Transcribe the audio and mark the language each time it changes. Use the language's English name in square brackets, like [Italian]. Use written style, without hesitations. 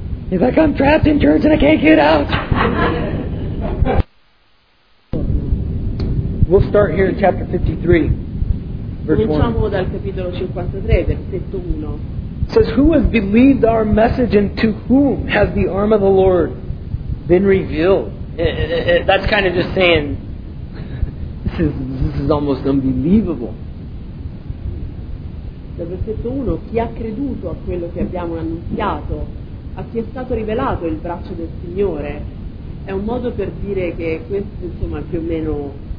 [English] He's like, I'm trapped in church and I can't get out. We'll start here in chapter 53, verse 1. [Italian] Cominciamo dal capitolo 53, versetto 1. [English] It says, who has believed our message and to whom has the arm of the Lord been revealed? That's kind of just saying, this is almost unbelievable. [Italian] Dal versetto 1, chi ha creduto a quello che abbiamo annunziato? A chi è stato rivelato il braccio del Signore? È un modo per dire che questo, insomma, più o meno...